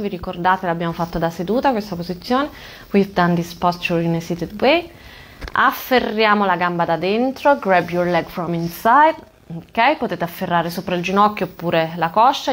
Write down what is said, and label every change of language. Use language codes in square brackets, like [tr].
[it] Vi ricordate, l'abbiamo fatto da seduta questa posizione. [en] We've done this posture in a seated way. [it] Afferriamo la gamba da dentro. [en] Grab your leg from inside. [it] Ok, potete afferrare sopra il ginocchio oppure la coscia.